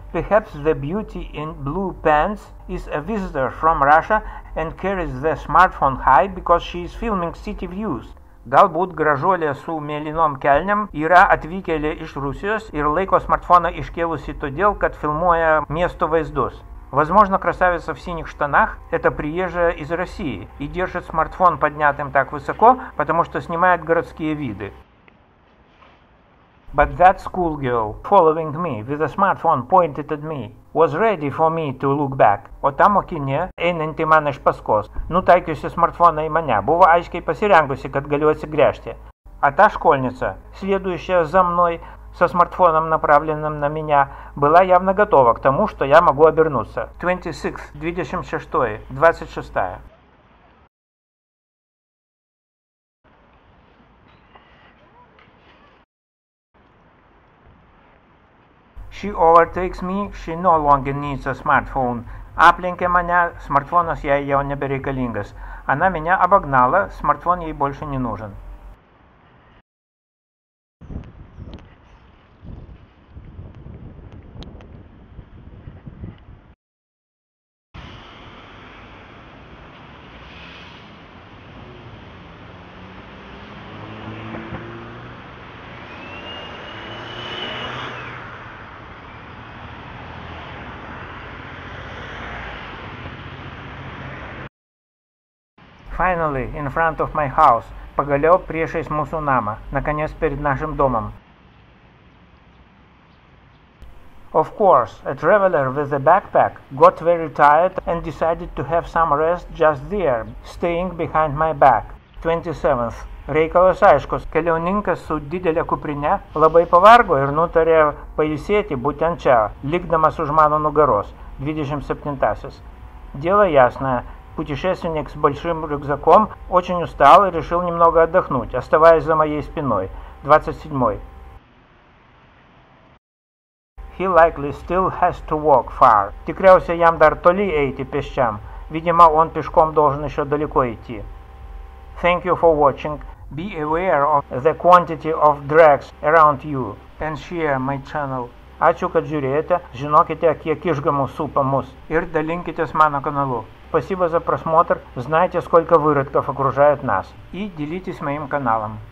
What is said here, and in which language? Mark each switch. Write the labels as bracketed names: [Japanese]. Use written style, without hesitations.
[English] Perhaps the beauty in blue pants is a visitor from Russia and carries the smartphone high because she is filming city views. [Lithuanian] Galbūt gražuolė su mėlynom kelniam yra atvykėlė iš Rusijos ir laiko smartfoną iškėlusi todėl, kad filmuoja miesto vaizdus. [Russian] Возможно, красавица в синих штанах – это приезжая из России и держит смартфон поднятым так высоко, потому что снимает городские виды. [English] But that schoolgirl, following me with a smartphone pointed at me, was ready for me to look back. [Lithuanian] O ta mokinė, einanti man iš paskos, nutaikiusi smartfoną į mane, buvo aiškiai pasirengusi, kad galiu atsigręžti. [Russian] А та школьница, следующая за мной, со смартфоном, направленным на меня, была явно готова к тому, что я могу обернуться. [English] 26, 26, 26. She overtakes me, she no longer needs a smartphone. [Lithuanian] Aplenkė mane, smartfonas jai jau nebereikalingas. [Russian] Она меня обогнала, смартфон ей больше не нужен. [English] Finally, in front of my house. [Lithuanian] Pagaliau priešais mūsų namą. [Russian] Наконец, перед нашим домом. [English] Of course, a traveler with a backpack got very tired and decided to have some rest just there, staying behind my back. [Lithuanian] 27th. Reikalas aiškus. Keliauninkas su didelė kuprine labai pavargo ir nutarė pailsėti būtent čia, likdamas už mano nugaros. [Russian] 27-asis. Дело ясное. Путешественник с большим рюкзаком очень устал и решил немного отдохнуть, оставаясь за моей спиной. [English] 27. He likely still has to walk far. [Lithuanian] Тикрялся ям дар толи эйти пещам. [Russian] Видимо, он пешком должен еще далеко идти. [English] Thank you for watching. Be aware of the quantity of drugs around you. And share my channel. [Lithuanian] Ačiū, kad žiūrėjote, žinokite, kiek išgamų supa mus. Ir dalinkitės mano kanalu. [Russian] Спасибо за просмотр. Знаете, сколько выродков окружает нас. И делитесь моим каналом.